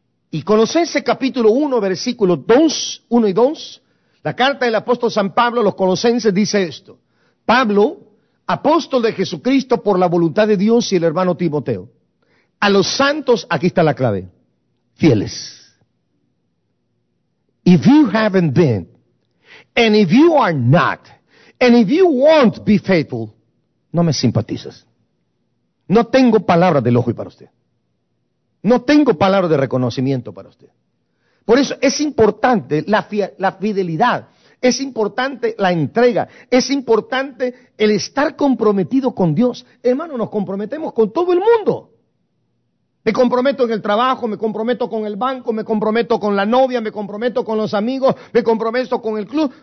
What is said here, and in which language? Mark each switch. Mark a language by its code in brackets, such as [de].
[es] Y Colosenses capítulo 1, versículos 1 y 2, la carta del apóstol San Pablo a los Colosenses dice esto: Pablo, apóstol de Jesucristo por la voluntad de Dios y el hermano Timoteo, a los santos, aquí está la clave, fieles. [en] If you haven't been, and if you are not, and if you won't be faithful, [es] no me simpatizas. No tengo palabras de elogio para usted. No tengo palabras de reconocimiento para usted. Por eso es importante la fidelidad, es importante la entrega, es importante el estar comprometido con Dios. Hermano, nos comprometemos con todo el mundo. Me comprometo en el trabajo, me comprometo con el banco, me comprometo con la novia, me comprometo con los amigos, me comprometo con el club.